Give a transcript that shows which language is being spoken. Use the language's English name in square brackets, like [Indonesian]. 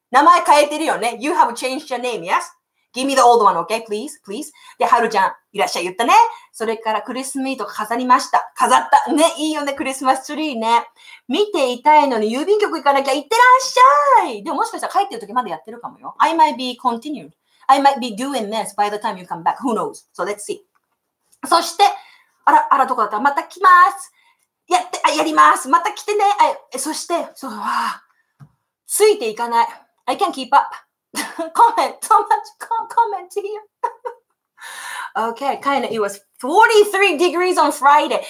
[Japanese] 名前変えてるよね。 [English] You have changed your name, yes? Give me the old one, okay? Please. [Japanese] で、はるちゃん、いらっしゃい、言ったね。それから、クリスマスとか飾りました。飾った。ね、いいよね、クリスマスツリーね。見ていたいのに、郵便局行かなきゃ、行ってらっしゃい。でも、もしかしたら帰ってる時までやってるかもよ。 [English] I might be continued. I might be doing this by the time you come back. Who knows? So, let's see. [Japanese] そして、あら、どこだった？また来ます。やります。また来てね。あ、そして、そう、わあ、ついていかない。 [English] I can't keep up. Comment, so much comment here. Okay, kinda, it was 43 degrees on Friday.